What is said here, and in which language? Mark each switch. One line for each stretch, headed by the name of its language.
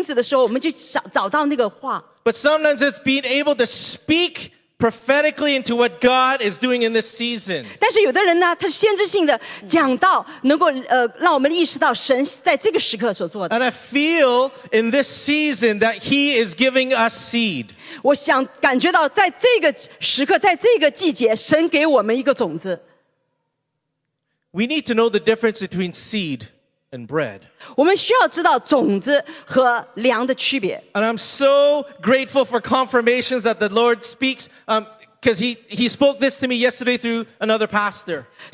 Chinese: 有的时候好像在我们在找那个金子的时候，我们就找到那个话。
English: But sometimes it's being able to speak prophetically into what God is doing in this season.
Chinese: 但是有的人呢，他是先知性的讲道，能够让我们意识到神在这个时刻所做的。
English: And I feel in this season that He is giving us seed.
Chinese: 我想感觉到在这个时刻，在这个季节，神给我们一个种子。
English: We need to know the difference between seed and bread.
Chinese: 我们需要知道种子和粮的区别。
English: And I'm so grateful for confirmations that the Lord speaks. Because he spoke this to me yesterday through another pastor.